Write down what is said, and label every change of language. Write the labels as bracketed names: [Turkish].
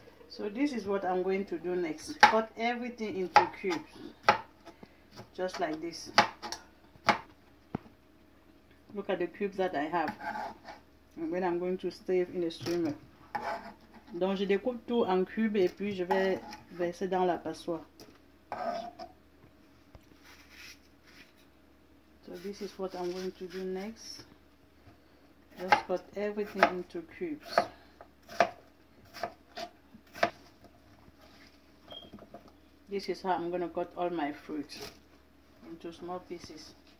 [English] So this is what I'm going to do next. Cut everything into cubes. Just like this. Look at the cubes that I have. And then I'm going to stir it in a strainer. [French] Donc je découpe tout en cubes et puis je vais verser dans la passoire. [English] So this is what I'm going to do next. Just cut everything into cubes. This is how I'm gonna cut all my fruits into small pieces.